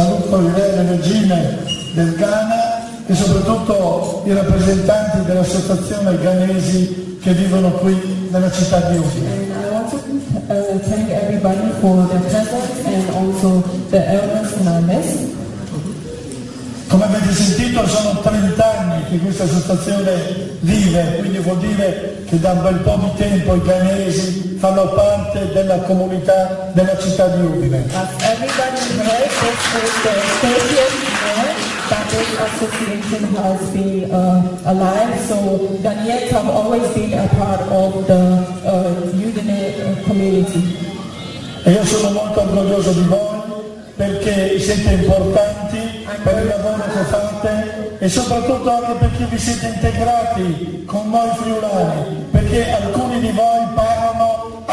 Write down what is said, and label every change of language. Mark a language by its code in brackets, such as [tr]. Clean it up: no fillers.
[it] آمين e soprattutto i rappresentanti dell'associazione ghanesi che vivono qui nella città di Udine. [en] And I want to thank everybody for their presence and also the elders in our midst. [it] Come avete sentito, sono 30 anni che questa associazione vive, quindi vuol dire che da un bel po' di tempo i ghanesi fanno parte della comunità della città di Udine. [en] Association has been alive, so Ghanaians have always been a part of the Udine community. [it] E io sono molto orgoglioso di voi perché siete importanti per il lavoro che fate e soprattutto anche perché vi siete integrati con noi friulani, perché alcuni di voi parlano